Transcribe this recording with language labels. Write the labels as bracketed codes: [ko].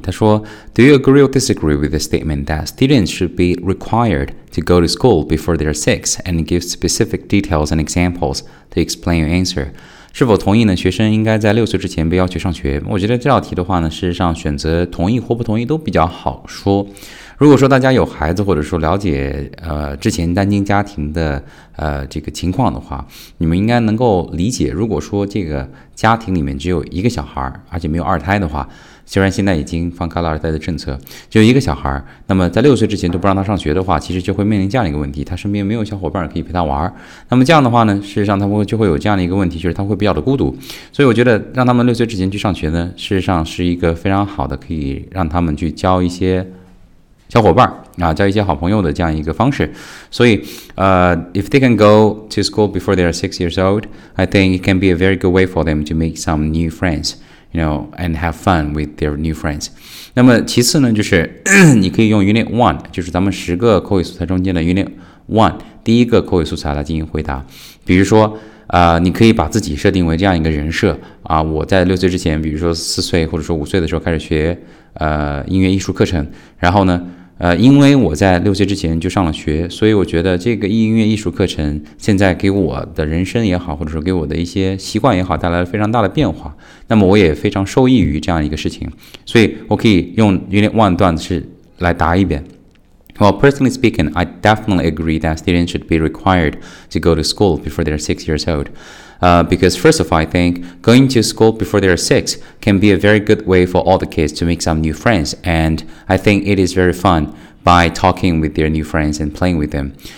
[zh] 他说 [en] Do you agree or disagree with the statement that students should be required to go to school before they're six and give specific details and examples to explain your answer? [zh] 是否同意呢？学生应该在六岁之前被要求上学？我觉得这道题的话呢，事实上选择同意或不同意都比较好说。如果说大家有孩子或者说了解之前单亲家庭的这个情况的话，你们应该能够理解，如果说这个家庭里面只有一个小孩而且没有二胎的话，虽然现在已经放开了二胎的政策，就一个小孩，那么在六岁之前都不让他上学的话，其实就会面临这样一个问题，他身边没有小伙伴可以陪他玩，那么这样的话呢，事实上他们就会有这样的一个问题，就是他会比较的孤独。所以我觉得让他们六岁之前去上学呢，事实上是一个非常好的可以让他们去交一些小伙伴啊，交一些好朋友的这样一个方式。所以 [en] if they can go to school before they are 6 years old, I think it can be a very good way for them to make some new friends, you know, and have fun with their new friends. [zh] 那么其次呢，就是你可以用 unit 1, 就是咱们十个口语素材中间的 unit 1, 第一个口语素材来进行回答。比如说你可以把自己设定为这样一个人设啊，我在六岁之前，比如说四岁或者说五岁的时候开始学音乐艺术课程，然后呢因为我在六岁之前就上了学，所以我觉得这个音乐艺术课程现在给我的人生也好，或者说给我的一些习惯也好，带来了非常大的变化，那么我也非常受益于这样一个事情，所以我可以用 unit 1段式来答一遍。 [en] Well, personally speaking, I definitely agree that students should be required to go to school before they're 6 years old. Because first of all, I think going to school before they're 6 can be a very good way for all the kids to make some new friends. And I think it is very fun by talking with their new friends and playing with them.